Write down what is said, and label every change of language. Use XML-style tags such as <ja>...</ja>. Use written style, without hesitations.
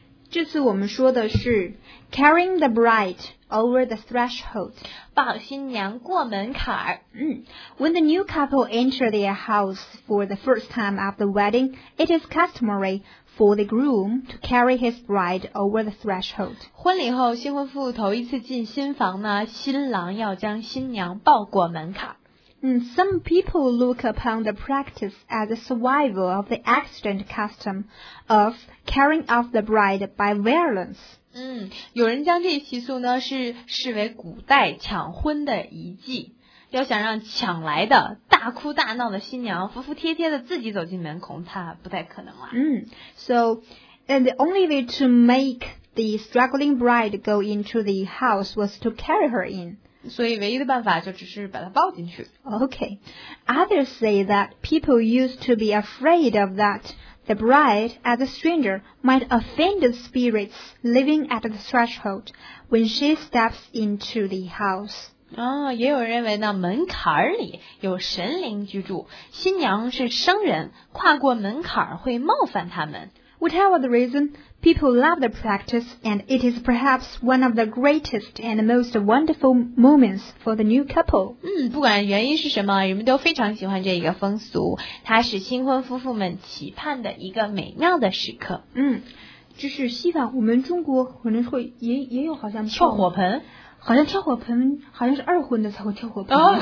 <zh>这次我们说的是</zh> <en>carrying the bride over the threshold.</en> <zh>抱新娘过门槛儿。</zh> <en>When the new couple enter their house for the first time after the wedding, it is customary for the groom to carry his bride over the threshold.</en> <zh>婚礼后新婚夫妇头一次进新房呢，新郎要将新娘抱过门槛儿。</zh> <en>Some people look upon the practice as a survival of the ancient custom of carrying off the bride by violence.</en> <zh>有人将这一习俗呢是视为古代抢婚的遗迹。要想让抢来的大哭大闹的新娘服服帖帖的自己走进门，恐怕不太可能了。</zh> <en>So, and the only way to make the struggling bride go into the house was to carry her in.</en> <zh>所以唯一的办法就只是把它抱进去。</zh> <en>Okay. Others say that people used to be afraid of that the bride as a stranger might offend the spirits living at the threshold when she steps into the house.</en> <zh>也有认为呢，门槛里有神灵居住，新娘是生人，跨过门槛会冒犯他们。</zh> <en>Whatever the reason, people love the practice, and it is perhaps one of the greatest and most wonderful moments for the new couple.</en> <zh>不管原因是什么，人们都非常喜欢这一个风俗，它是新婚夫妇们期盼的一个美妙的时刻。就是西方，我们中国可能会也有好像跳火盆。好像跳火盆好像是二婚的才会跳火盆。</zh>